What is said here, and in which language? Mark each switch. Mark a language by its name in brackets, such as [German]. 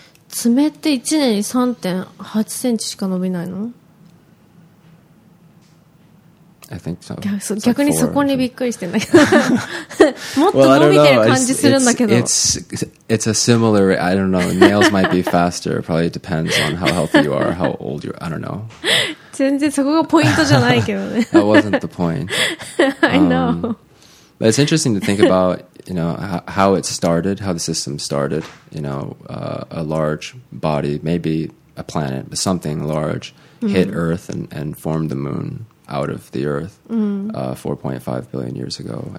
[Japanese] 爪って1年に 3.8 センチしか伸びないの? [English] I think so. [Japanese] 逆にそこにびっくりしてんだけど。もっと伸びてる感じするんだけど。 [English] It's a similar, I don't know, nails might be faster, probably it depends on how healthy you are, how old you are, I don't know. [Japanese] 全然そこがポイントじゃないけどね。 [English] That wasn't the point. I know. But it's interesting to think about, you know, how it started, how the system started, you know, a large body, maybe a planet, but something large hit Earth and formed the moon out of the Earth 4.5 billion years ago.